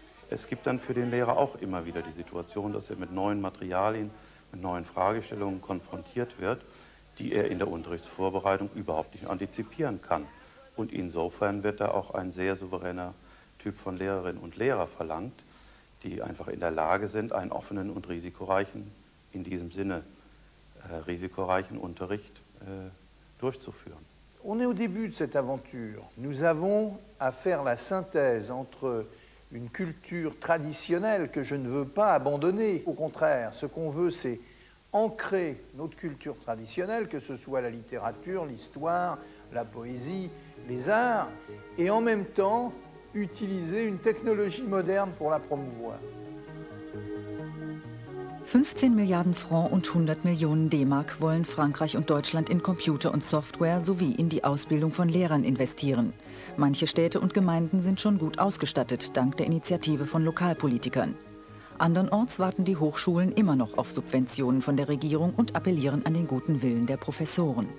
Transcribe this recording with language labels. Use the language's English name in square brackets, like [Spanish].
[German] Es gibt dann für den Lehrer auch immer wieder die Situation, dass er mit neuen Materialien, mit neuen Fragestellungen konfrontiert wird, die er in der Unterrichtsvorbereitung überhaupt nicht antizipieren kann. Und insofern wird da auch ein sehr souveräner Typ von Lehrerinnen und Lehrer verlangt, die einfach in der Lage sind, einen offenen und risikoreichen, in diesem Sinne risikoreichen Unterricht durchzuführen. [French] On est au début de cette aventure. Nous avons à faire la synthèse entre une culture traditionnelle que je ne veux pas abandonner. Au contraire, ce qu'on veut, c'est ancrer notre culture traditionnelle, que ce soit la littérature, l'histoire, la poésie, les arts, et en même temps, utiliser une technologie moderne pour la promouvoir. [German] 15 Milliarden Francs und 100 Millionen D-Mark wollen Frankreich und Deutschland in Computer und Software sowie in die Ausbildung von Lehrern investieren. Manche Städte und Gemeinden sind schon gut ausgestattet, dank der Initiative von Lokalpolitikern. Andernorts warten die Hochschulen immer noch auf Subventionen von der Regierung und appellieren an den guten Willen der Professoren.